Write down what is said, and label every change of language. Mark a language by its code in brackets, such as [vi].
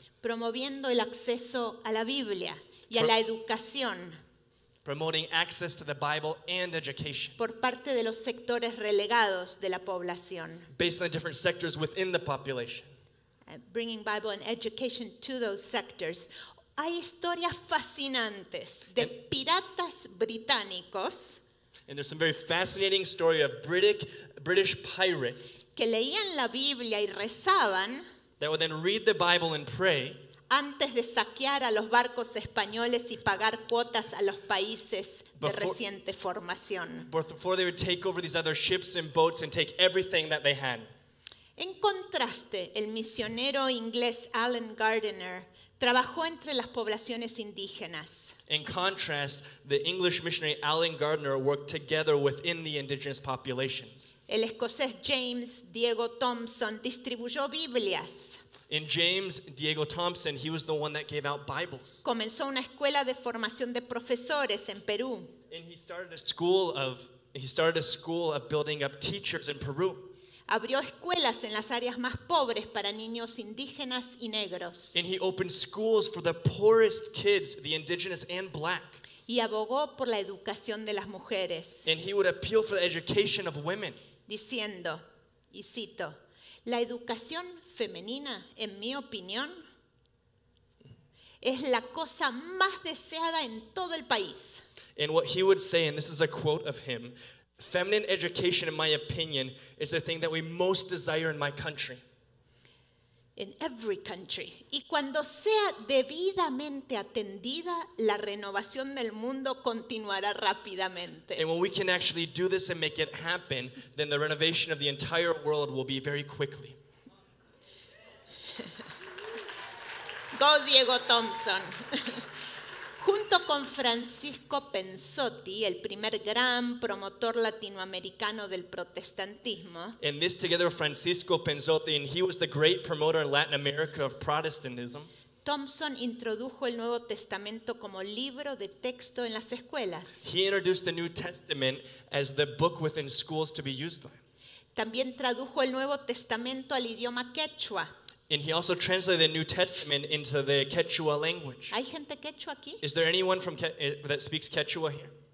[es] Promoviendo el acceso a la Biblia y a la educación. [en] Promoting access to the Bible and education. [es] Por parte de los sectores relegados de la población. [en] Based on the different sectors within the population. Bringing Bible and education to those sectors. [es] Hay historias fascinantes de piratas británicos. [en] And there's some very fascinating story of British pirates. [es] Que leían la Biblia y rezaban. [en] That would then read the Bible and pray. [es] Antes de saquear a los barcos españoles y pagar cuotas a los países de reciente formación. [en] Before they would take over these other ships and boats and take everything that they had. [es] En contraste, el misionero inglés Alan Gardiner trabajó entre las poblaciones indígenas. [en] In contrast, the English missionary Alan Gardiner worked together within the indigenous populations. [es] El escocés James Diego Thompson distribuyó Biblias. [en] In James Diego Thompson, he was the one that gave out Bibles. [es] Comenzó una escuela de formación de profesores en Perú. [en] And he started a school of building up teachers in Peru. [es] Abrió escuelas en las áreas más pobres para niños indígenas y negros. [en] And he opened schools for the poorest kids, the indigenous and black. [es] Y abogó por la educación de las mujeres. [en] And he would appeal for the education of women. [es] Diciendo, y cito, la educación femenina, en mi opinión, es la cosa más deseada en todo el país. [en] And what he would say, and this is a quote of him, feminine education, in my opinion, is the thing that we most desire in my country. In every country. [es] Y cuando sea debidamente atendida, la renovación del mundo continuará rápidamente. [en] And when we can actually do this and make it happen, then the renovation of the entire world will be very quickly. Go Diego Thompson. [es] Junto con Francisco Pensotti, el primer gran promotor latinoamericano del protestantismo. [en] And this together with Francisco Pensotti, and he was the great promoter in Latin America of Protestantism. [es] Thompson introdujo el Nuevo Testamento como libro de texto en las escuelas. [en] He introduced the New Testament as the book within schools to be used by. [es] También tradujo el Nuevo Testamento al idioma quechua. [en] And he also translated the New Testament into the Quechua language. [es] ¿Hay gente Quechua aquí? [en] Is there anyone from that speaks Quechua here?